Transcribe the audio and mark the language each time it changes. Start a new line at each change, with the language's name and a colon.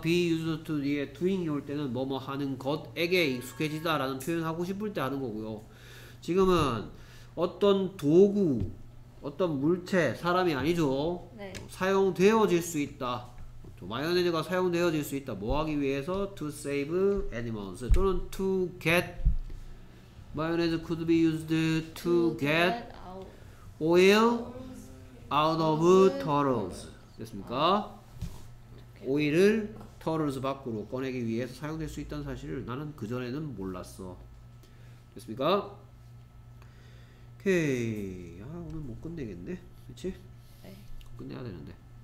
Korean: be used to 뒤에 doing이 올 때는 뭐뭐 하는 것에게 익숙해지다라는 표현을 하고 싶을 때 하는 거고요. 지금은 어떤 도구 어떤 물체, 사람이 아니죠. 네. 사용되어질 수 있다. 마요네즈가 사용되어질 수 있다. 뭐 하기 위해서?
English: To save animals. 또는 to get. 마요네즈 could be used to get oil out of turtles.
Korean: 됐습니까? 오일을 turtles 밖으로 꺼내기 위해서 사용될 수 있다는 사실을 나는 그전에는 몰랐어. 됐습니까? 오케이. 아 오늘 못 끝내겠네. 그치? 네. 끝내야 되는데.